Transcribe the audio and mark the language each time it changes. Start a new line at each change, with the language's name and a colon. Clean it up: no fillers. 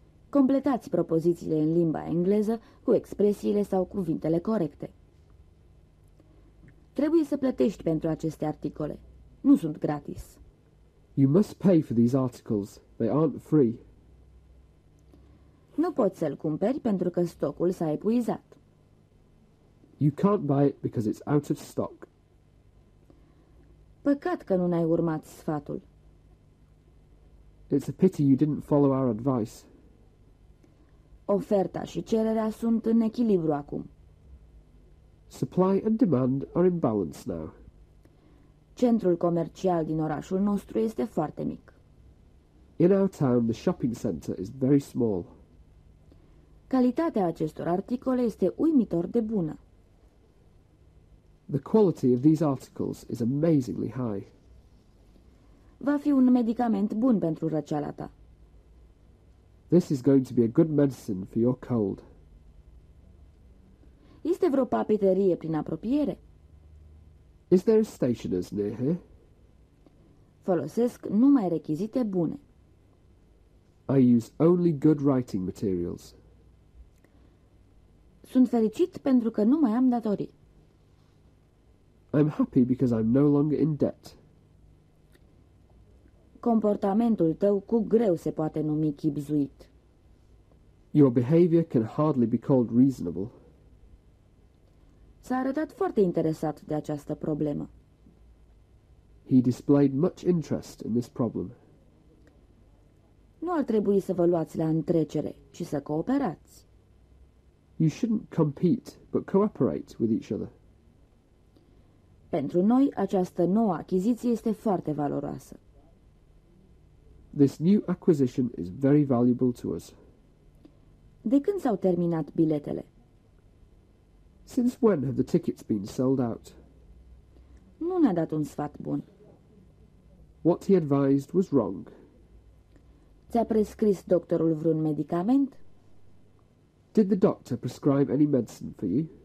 Romanian: Completați propozițiile în limba engleză cu expresiile sau cuvintele corecte. Trebuie să plătești pentru aceste articole. Nu sunt gratis.
English: You must pay for these articles. They aren't free.
Romanian: Nu poți să-l cumperi pentru că stocul s-a epuizat.
English: You can't buy it because it's out of stock.
Romanian: Păcat că nu n-ai urmat sfatul.
English: It's a pity you didn't follow our advice.
Romanian: Oferta și cererea sunt în echilibru acum.
English: Supply and demand are in balance now.
Romanian: Centrul comercial din orașul nostru este foarte mic.
English: In our town, the shopping center is very small.
Romanian: Calitatea acestor articole este uimitor de bună.
English: The quality of these articles is amazingly high.
Romanian: Va fi un medicament bun pentru răceala ta.
English: This is going to be a good medicine for your cold.
Romanian: Este vreo papeterie prin apropiere?
English: Is there a stationer's near here?
Romanian: Folosesc numai rechizite bune.
English: I use only good writing materials.
Romanian: Sunt fericit pentru că nu mai am datorii.
English: I'm happy because I'm no longer in debt.
Romanian: Comportamentul tău cu greu se poate numi chibzuit.
English: Your behavior can hardly be called reasonable.
Romanian: S-a arătat foarte interesat de această problemă.
English: He displayed much interest in this problem.
Romanian: Nu ar trebui să vă luați la întrecere, ci să cooperați.
English: You shouldn't compete, but cooperate with each other.
Romanian: Pentru noi, această nouă achiziție este foarte valoroasă.
English: This new acquisition is very valuable to us.
Romanian: De când s-au terminat biletele?
English: Since when have the tickets been sold out?
Romanian: Nu ne-a dat un sfat bun.
English: What he advised was wrong.
Romanian: Ți-a prescris doctorul vreun medicament?
English: Did the doctor prescribe any medicine for you?